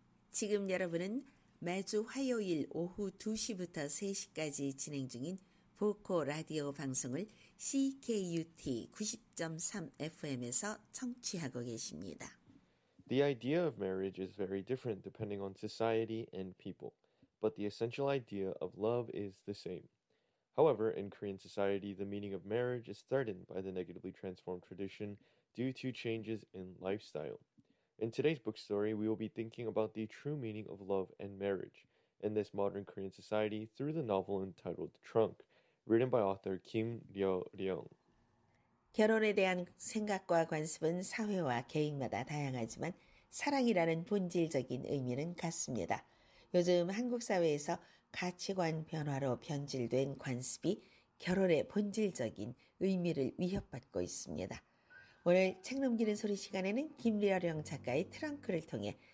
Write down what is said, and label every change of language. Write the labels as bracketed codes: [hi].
[ko] 지금 여러분은 매주 화요일 오후 2시부터 3시까지 진행 중인 보코 라디오 방송을 CKUT 90.3 FM에서 청취하고 계십니다. [en] The idea of marriage is very different depending on society and people, but the essential idea of love is the same. However, in Korean society, the meaning of marriage is threatened by the negatively transformed tradition due to changes in lifestyle. In today's book story, we will be thinking about the true meaning of love and marriage in this modern Korean society through the novel entitled Trunk, written by author Kim Ryo-ryong. [ko] 결혼에 대한 생각과 관습은 사회와 개인마다 다양하지만 사랑이라는 본질적인 의미는 같습니다. 요즘 한국 사회에서 가치관 변화로 변질된 관습이 결혼의 본질적인 의미를 위협받고 있습니다. 오늘 책 넘기는 소리 시간에는 김리아령 작가의 트렁크를 통해